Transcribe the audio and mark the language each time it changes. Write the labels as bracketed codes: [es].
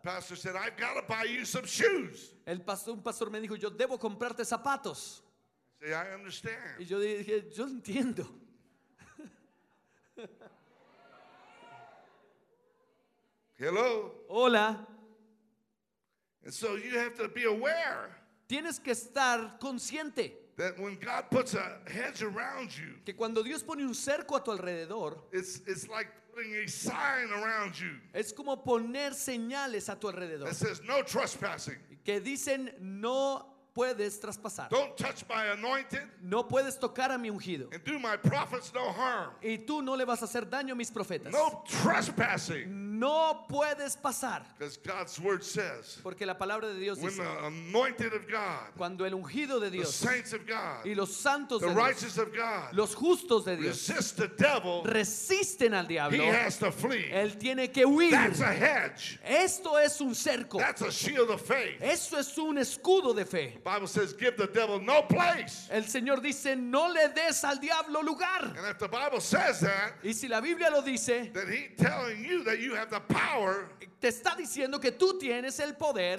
[en] Pastor said, I've got to buy you some shoes. [es] Un pastor me dijo, yo debo comprarte zapatos. [en] Yeah, I understand. [es] Y yo dije, yo entiendo. [en] Hello. [es] Hola. [en] And so you have to be aware. [es] Tienes que estar consciente. [en] That when God puts a hedge around you. [es] Que cuando Dios pone un cerco a tu alrededor. [en] It's like putting a sign around you. [es] Es como poner señales a tu alrededor. [en] That says no trespassing. [es] Que dicen no. Puedes traspasar. [en] Don't touch my anointed. [es] No puedes tocar a mi ungido. [en] And do my prophets no harm. [es] Y tú no le vas a hacer daño a mis profetas. [en] No trespassing. [es] No puedes pasar. [en] Because God's word says. [es] Porque la palabra de Dios [en] when [es] dice. [en] When the anointed of God. [es] Cuando el ungido de Dios. [en] The saints of God. [es] Y los santos [en] the [es] de Dios. [en] The righteous of God. [es] Los justos de Dios. [en] Resist the devil. [es] Resisten al diablo. [en] He has to flee. [es] Él tiene que huir. [en] That's a hedge. [es] Esto es un cerco. [en] That's a shield of faith. [es] Eso es un escudo de fe. [en] The Bible says, "Give the devil no place." [es] El Señor dice, "No le des al diablo lugar." [en] And if the Bible says that, [es] y si la Biblia lo dice, [en] then he's telling you that you have the power. [es] Te está diciendo que tú tienes el poder